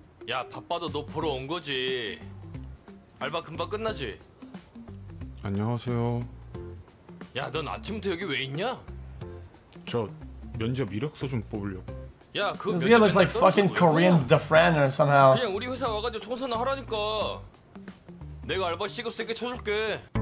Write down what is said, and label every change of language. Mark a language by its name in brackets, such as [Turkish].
[Korean] 야, 바빠도 너 보러 온 거지. 알바 금방 끝나지? 안녕하세요. 야, 넌 아침부터 여기 왜 있냐? 저 면접 이력서 좀 뽑으려고. 야, 그 [English] This guy looks like fucking Korean DeFran or somehow. [Korean] 그냥 우리 회사 와가지고 총선을 하라니까. 내가 알바 시급 세게 쳐줄게.